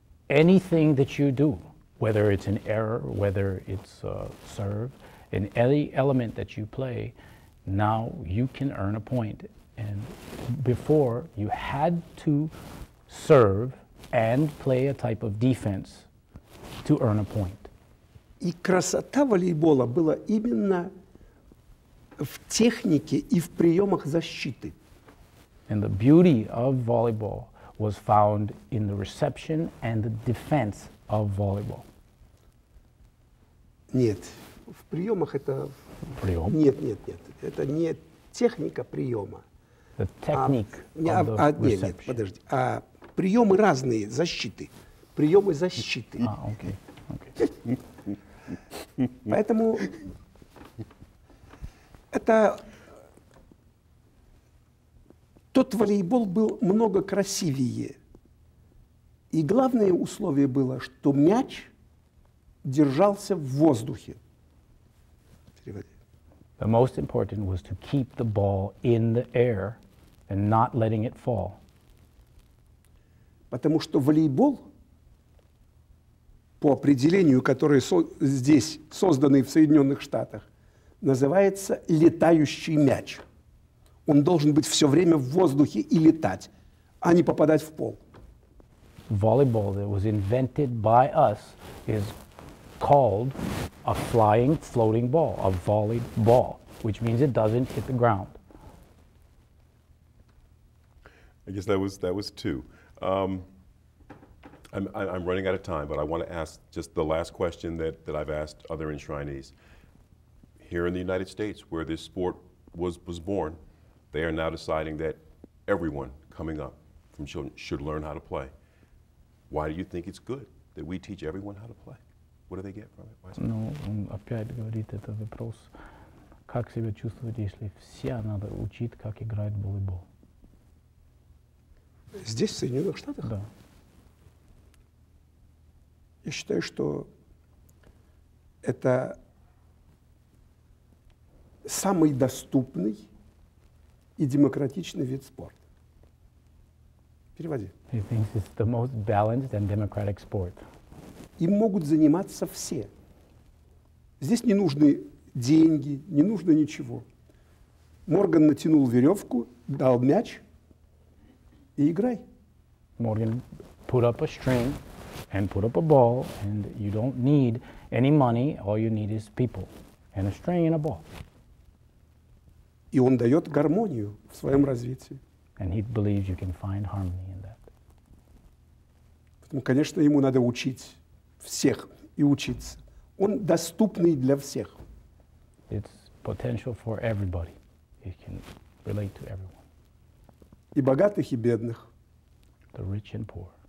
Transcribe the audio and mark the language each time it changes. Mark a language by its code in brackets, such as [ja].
[en] Anything that you do, whether it's an error, whether it's a serve, in any element that you play, now you can earn a point. And before, you had to serve and play a type of defense to earn a point. [ru] И красота волейбола была именно в технике и в приемах защиты. [en] And the beauty of volleyball was found in the reception and the defense of volleyball. [ru] Нет, в приемах это... Прием? Нет, нет, нет. Это не техника приема. [en] The technique of the reception. [ru] Нет, нет, подожди. А приемы разные, защиты. Приемы защиты. А, окей, окей. Поэтому это... Тот волейбол был много красивее. И главное условие было, что мяч держался в воздухе. [en] The most important was to keep the ball in the air and not letting it fall. [ru] Потому что волейбол, по определению, который здесь созданный в Соединенных Штатах, называется летающий мяч. Он должен быть все время в воздухе и летать, а не попадать в пол. [en] Volleyball that was invented by us is called a flying, floating ball, a volleyball, which means it doesn't hit the ground. I guess that was two. I'm running out of time, but I want to ask just the last question that I've asked other enshrinees. Here in the United States, where this sport was born, they are now deciding that everyone coming up from children should learn how to play. Why do you think it's good that we teach everyone how to play? What do they get from it? [ru] Ну, он опять говорит этот вопрос. Как себя чувствовать, если все надо учить, как играть в волейбол? Здесь, в Соединенных Штатах? Да. Я считаю, что это самый доступный и демократичный вид спорта. Переводи. [en] He thinks it's the most balanced and democratic sport. [ru] Им могут заниматься все. Здесь не нужны деньги, не нужно ничего. Морган натянул веревку, дал мяч и играй. [en] Morgan put up a string and put up a ball, and you don't need any money. All you need is people and a string and a ball. [ru] И он дает гармонию в своем развитии. [en] And he believes you can find harmony in that. [ru] Поэтому, конечно, ему надо учить всех и учиться. Он доступный для всех. [en] It's potential for everybody. It can relate to everyone. [ru] И богатых, и бедных. [en] The rich and poor.